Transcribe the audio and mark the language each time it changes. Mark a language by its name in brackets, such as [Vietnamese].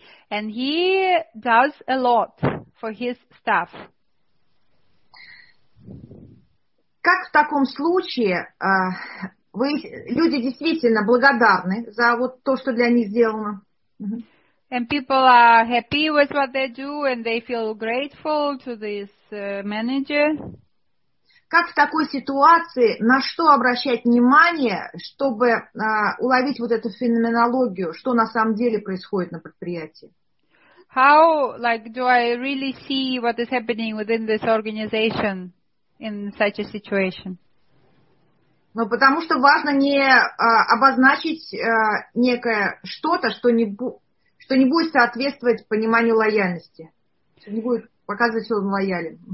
[English] And he does a lot for his staff. [Russian] Как в таком случае? Вы люди действительно благодарны за вот то, что для них сделано. [English] And people are happy with what they do, and they feel grateful to this manager. [Russian] Как в такой ситуации на что обращать внимание, чтобы уловить вот эту феноменологию, что на самом деле происходит на предприятии? [English] How, like, do I really see what is happening within this organization in such a situation? [Russian] Ну, потому что важно не обозначить некое что-то, что не будет соответствовать пониманию лояльности. Что не будет показывать, что он лоялен.